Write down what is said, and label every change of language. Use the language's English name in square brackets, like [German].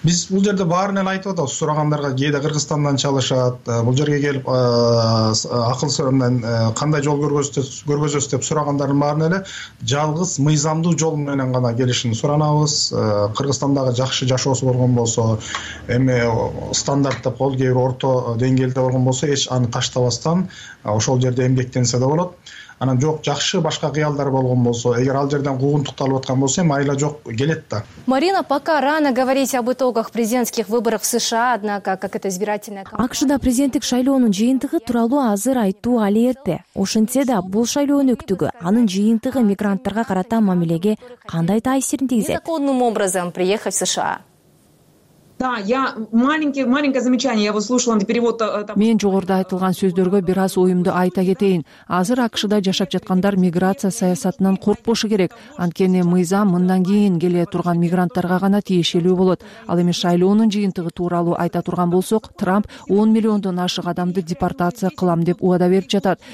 [Kyrgyz] Биз бул жерде баарын эле айтып атабыз. Сурагандарга кээде Кыргызстандан чалышат, бул жерге келип акыл сөрөмдөн кандай жол көргөзөсүз деп сурагандардын баарын эле жалгыз мыйзамдуу жол менен гана келишин суранабыз. Кыргызстандагы жакшы жашоосу болгон болсо, эми стандартта кол кээ бир орто деңгээлде болгон болсо эч аны таштабастан ошол жерде эмгектенсе да болот. Анан жок, жакшы башка кыялдар болгон болсо, эгер ал жерден куугунтукталып аткан болсо эми айла жок, келет да. [Russian] Марина, пока рано говорить об итогах президентских выборов в США, однако, как это избирательная кампания. [Kyrgyz] АКШ-да президенттик шайлоонун жыйынтыгы тууралуу азыр айтуу али эрте. Ошентсе да бул шайлоонун өктүгү анын жыйынтыгы мигранттарга карата мамилеге кандай таасирин тийгизет? [Russian] Незаконным образом приехать в США. [Kyrgyz] Мен жогоруда айтылган сөздөргө бир аз оюмду айта кетейин. Азыр АКШ-да жашап жаткандар миграция саясатынан коркпошу керек. Анткени мыйзам мындан кийин келе турган мигранттарга гана тиешелүү болот. Ал эми шайлоонун жыйынтыгы тууралуу айта турган болсок, Трамп 10 миллиондон ашык адамды депортация кылам деп убада берип жатат.